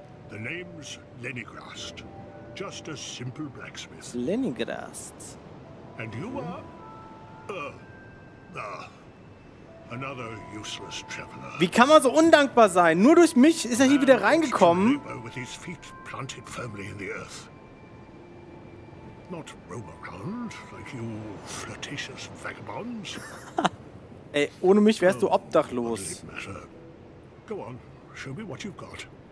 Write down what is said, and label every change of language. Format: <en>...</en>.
<en>The name's Lenigrast. Just a simple blacksmith. Lenigrast. And you are? Another useless traveler.</en> <de>Wie kann man so undankbar sein? Nur durch mich ist er hier wieder reingekommen.</de> <en>With his feet planted firmly in the earth. Not roam around like you flirtatious vagabonds.</en> <de>Ey, ohne mich wärst du obdachlos.</de> <en>Go on, show me what you've got.</en>